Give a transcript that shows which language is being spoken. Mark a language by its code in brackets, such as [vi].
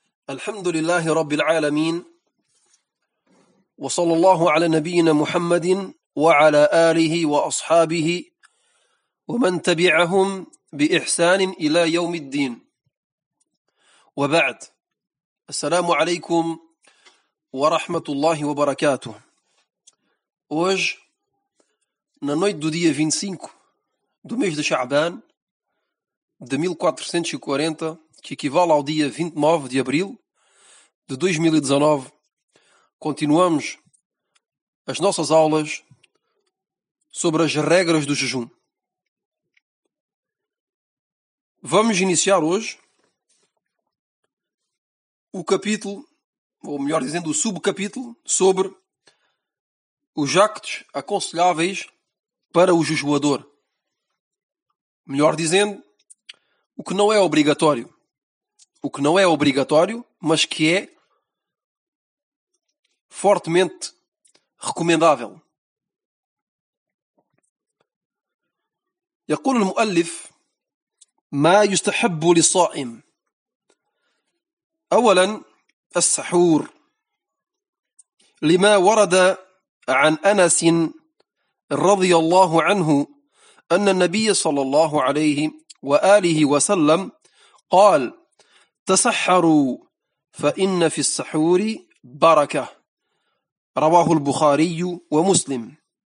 [ar] الحمد لله رب العالمين، وصلى الله على نبينا محمد وعلى آله وأصحابه ومن تبعهم بإحسان إلى يوم الدين، وبعد. السلام عليكم ورحمة الله وبركاته. [pt] Hoje, na noite do dia 25 do mês de Sha'ban de 1440, que equivale ao dia 29 de abril de 2019, continuamos as nossas aulas sobre as regras do jejum. Vamos iniciar hoje o capítulo, ou melhor dizendo, o subcapítulo, sobre os jactos aconselháveis para o jejuador. Melhor dizendo, o que não é obrigatório. O que não é obrigatório, mas que é fortemente recomendável. [ar] يقول المؤلف ما يستحب للصائم. أولا السحور لما ورد عن أنس رضي الله عنه أن النبي صلى الله عليه وآله وسلم قال تسحروا فإن في السحور بركة رواه البخاري ومسلم.